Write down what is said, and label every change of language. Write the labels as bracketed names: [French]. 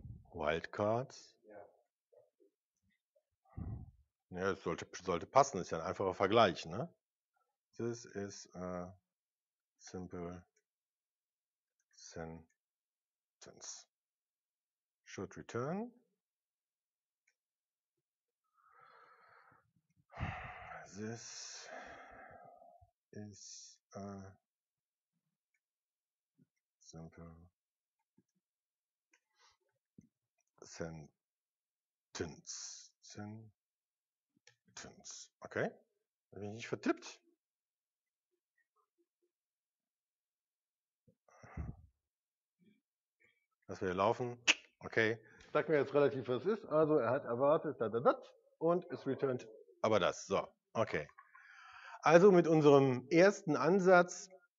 [English] Wildcards? [German] Ja, das sollte passen. Das ist ja ein einfacher Vergleich, ne? [English] This is a simple sentence. Should return. This is a simple sentence. Okay. [German] Habe ich nicht vertippt? Das wird laufen. Okay. Sag mir jetzt relativ, was es ist. Also er hat erwartet, und es returned. Aber das. So. Okay. Also mit unserem ersten Ansatz